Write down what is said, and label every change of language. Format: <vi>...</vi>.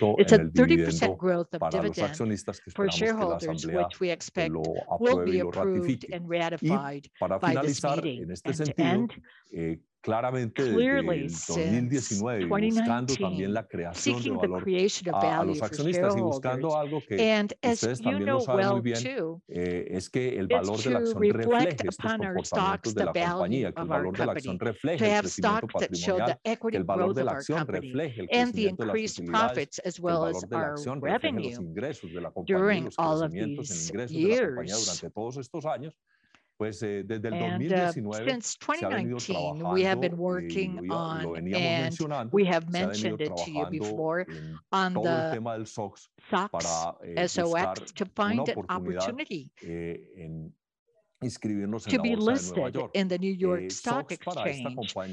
<en>It's a 30% growth of dividend for shareholders, which we expect will be approved and ratified by this meeting.</en> <es>En este sentido, claramente desde el 2019 buscando también la creación de valor a los accionistas y buscando algo que ustedes también lo saben muy bien, es que el valor de la acción refleje estos comportamientos de la compañía, que el valor de la acción refleje el crecimiento patrimonial, el valor de la acción refleje el crecimiento de las utilidades, el valor de la acción refleje los ingresos de la compañía, los crecimientos en ingresos de la compañía durante todos estos años. Pues desde el 2019 se ha venido trabajando,</es> <en>we have been working on, and we have mentioned it to you before, on the SOX, SOX, to find an opportunity to be listed in the New York Stock Exchange.</en>